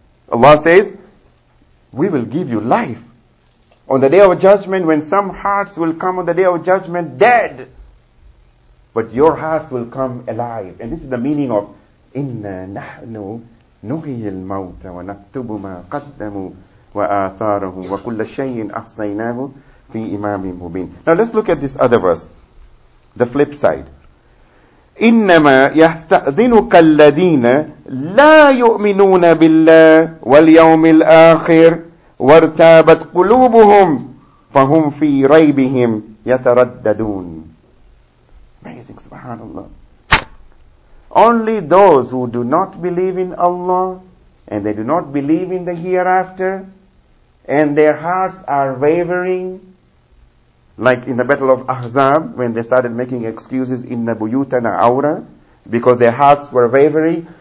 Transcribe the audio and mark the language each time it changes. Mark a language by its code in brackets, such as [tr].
[en] Allah says, we will give you life. On the day of judgment, when some hearts will come on the day of judgment dead, but your hearts will come alive. And this is the meaning of [ar] inna nahnu nuhyi al-mawta wa naktubu ma qaddamu وآثاره وكل شيء أحصيناه في إمام مبين. [en] Now let's look at this other verse, the flip side. [ar] إنما يستأذنك الذين لا يؤمنون بالله واليوم الآخر وارتابت قلوبهم فهم في ريبهم يترددون. [en] Amazing, subhanAllah. Only those who do not believe in Allah and they do not believe in the hereafter, and their hearts are wavering, like in the battle of Ahzab, when they started making excuses, [ar] inna buyutana awra, [en] because their hearts were wavering.